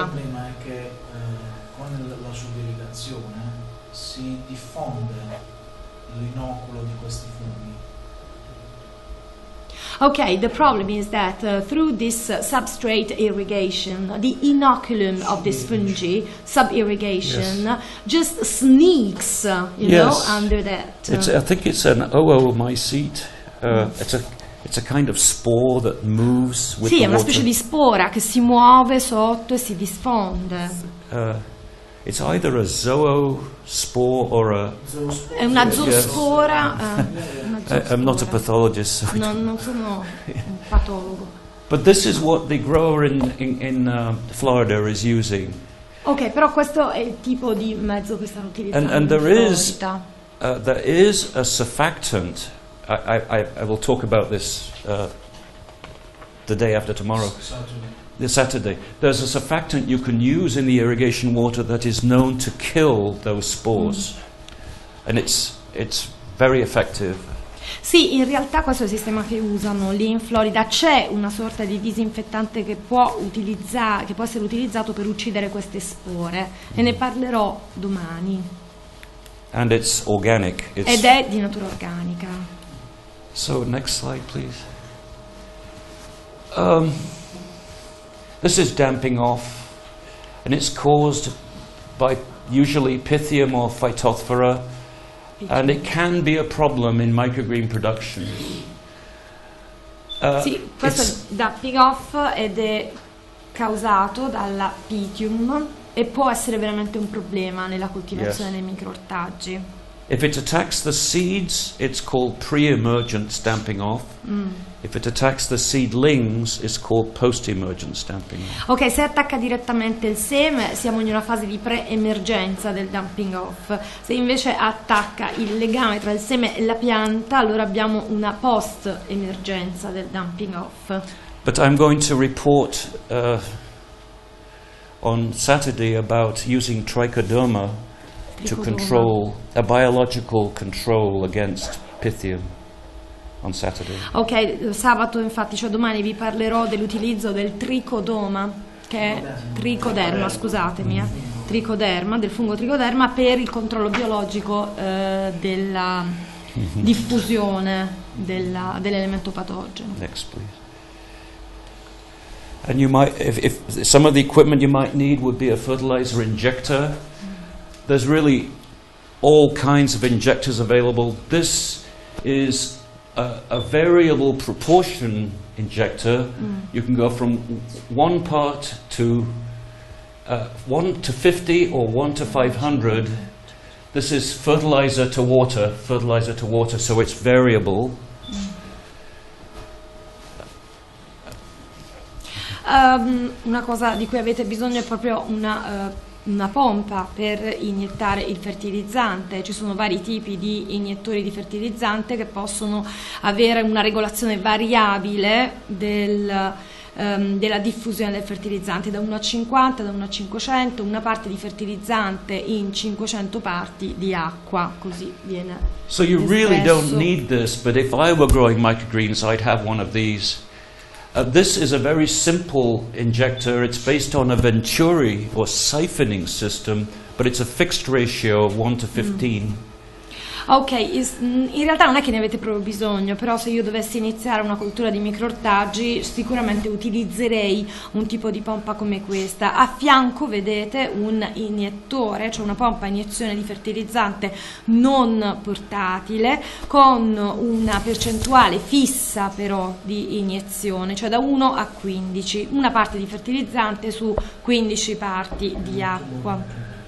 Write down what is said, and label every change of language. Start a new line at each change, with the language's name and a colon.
Italian: Il problema è che con la sub-irrigazione si diffonde l'inoculo di questi funghi.
English: Okay, the problem is that through this substrate irrigation, the inoculum of this fungi, sub-irrigation, just sneaks, under that. I think it's an oomycete. It's a kind of spore that moves with the water.
Italian: Sì, è una specie di spora che si muove sotto e si diffonde.
English: It's either a zoospore or a...
Italian: È una zoospora.
English: I'm not a pathologist. So
Italian: non sono un patologo.
English: But this is what the grower in Florida is using.
Italian: Ok, però questo è il tipo di mezzo che stanno utilizzando.
English: And there is a surfactant. I will talk about this the day after tomorrow. Saturday. There's a surfactant you can use in the irrigation water that is known to kill those spores. And it's very effective.
Italian: Sì, in realtà questo è il sistema che usano lì in Florida. C'è una sorta di disinfettante che può essere utilizzato per uccidere queste spore. E ne parlerò domani.
English: And it's organic.
Italian: Ed è di natura organica.
English: So, next slide, please. This is damping off, and it's caused by usually Pythium or Phytophthora, And it can be a problem in microgreen production.
Italian: Sì, questo da pick-off ed è causato dalla Pythium e può essere veramente un problema nella coltivazione dei microortaggi.
English: If it attacks the seeds, it's called pre-emergent stamping off. Mm. If it attacks the seedlings, it's called post-emergent stamping off.
Italian: Ok, se attacca direttamente il seme, siamo in una fase di pre-emergenza del dumping off. Se invece attacca il legame tra il seme e la pianta, allora abbiamo una post-emergenza del dumping off.
English: But I'm going to report on Saturday about using trichoderma to control a biological control against Pythium on Saturday.
Italian: Ok, sabato infatti, cioè domani vi parlerò dell'utilizzo del trichoderma, che è trichoderma, scusatemi, trichoderma, del fungo trichoderma per il controllo biologico della diffusione dell'elemento patogeno.
English: Next, please. And you might, if some of the equipment you might need would be a fertilizer injector. There's really all kinds of injectors available. This is a variable proportion injector. Mm. You can go from one part to 1:50 or 1:500. This is fertilizer to water, fertilizer to water, so it's variable.
Italian: Una cosa di cui avete bisogno è proprio una pompa per iniettare il fertilizzante. Ci sono vari tipi di iniettori di fertilizzante che possono avere una regolazione variabile della diffusione del fertilizzante, da 1 a 50, da 1 a 500, una parte di fertilizzante in 500 parti di acqua, così viene.
English: So you really don't need this, but if I were growing microgreens I'd have one of these. This is a very simple injector. It's based on a venturi or siphoning system, but it's a fixed ratio of 1:15. Mm.
Italian: Ok, in realtà non è che ne avete proprio bisogno, però se io dovessi iniziare una coltura di microortaggi sicuramente utilizzerei un tipo di pompa come questa. A fianco vedete un iniettore, cioè una pompa a iniezione di fertilizzante non portatile, con una percentuale fissa però di iniezione, cioè da 1 a 15, una parte di fertilizzante su 15 parti di acqua.